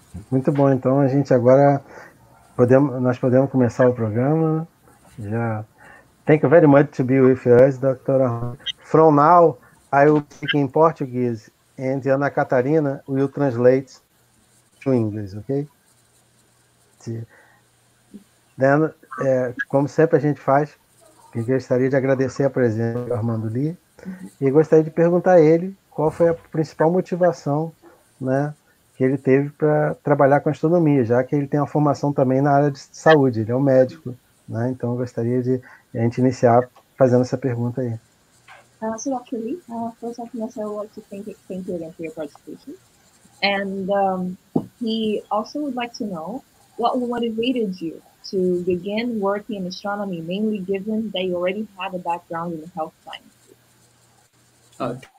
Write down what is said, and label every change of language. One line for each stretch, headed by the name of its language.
Portuguese: Muito bom, então a gente agora podemos começar o programa. Já.
English: Thank you very much to be with us, Dr. From now, I will speak in Portuguese and Ana Catarina will translate to English, ok?
Portuguese: Then, como sempre a gente faz, eu gostaria de agradecer a presença do Armando Lee e gostaria de perguntar a ele qual foi a principal motivação, né, que ele teve para trabalhar com astronomia, já que ele tem uma formação também na área de saúde, ele é um médico, né? Então, eu gostaria de a gente iniciar fazendo essa pergunta aí.
English: So, Dr. Lee, first of all, I would like to thank you again for your participation. And he also would like to know what motivated you to begin working in astronomy, mainly given that you already have a background in health sciences.